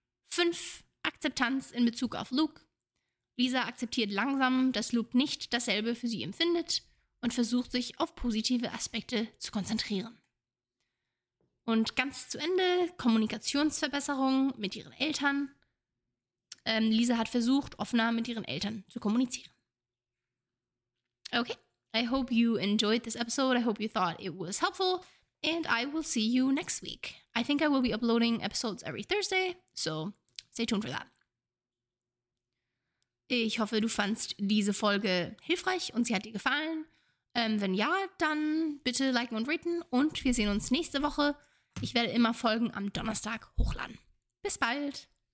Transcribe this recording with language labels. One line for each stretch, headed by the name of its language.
German: 5, Akzeptanz in Bezug auf Luke. Lisa akzeptiert langsam, dass Luke nicht dasselbe für sie empfindet und versucht, sich auf positive Aspekte zu konzentrieren. Und ganz zu Ende, Kommunikationsverbesserung mit ihren Eltern. Lisa hat versucht, offener mit ihren Eltern zu kommunizieren.
English: Okay, I hope you enjoyed this episode. I hope you thought it was helpful. And I will see you next week. I think I will be uploading episodes every Thursday, so stay tuned for that.
German: Ich hoffe, du fandst diese Folge hilfreich und sie hat dir gefallen. Wenn ja, dann bitte liken und raten und wir sehen uns nächste Woche. Ich werde immer Folgen am Donnerstag hochladen. Bis bald!